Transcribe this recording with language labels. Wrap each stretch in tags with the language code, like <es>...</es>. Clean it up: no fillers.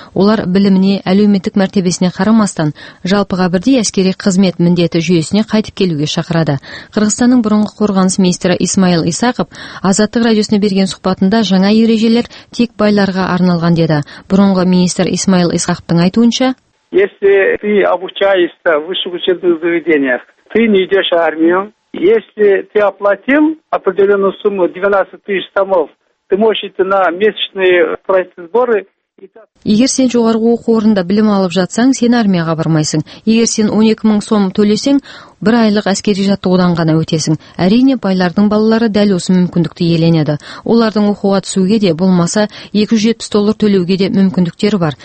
<kk>Олар біліміне, әлеуметтік мәртебесіне қарамастан, жалпыға бірдей әскери қызмет міндеті жүйесіне қайтып келуге шақырады. Қырғызстанның бұрынғы қорғаныс министрі Исмаил Исақов Азаттық радиосына берген сұхбатында жаңа ережелер тек байларға арналған деді. Бұрынғы министр Исмаил Исхақтың айтуынша,</kk> <ru>если ты обучаешься в высших учебных заведениях, ты не идешь в армию. Если ты оплатил определенную сумму 12 000 томов, ты можешь идти на месячные проектные сборы.</ru> <kk>Егер сен жоғарғы оқу орнында білім алып жатсаң, сен армияға бармайсың. Егер сен 12 000 сом төлесең, бір айлық әскери жаттығудан ғана өтесің. Әрине, байлардың балалары дәл осы мүмкіндікті иеленеді. Олардың оқуға түсуге де, болмаса, $270 төлеуге де мүмкіндіктері бар.</kk>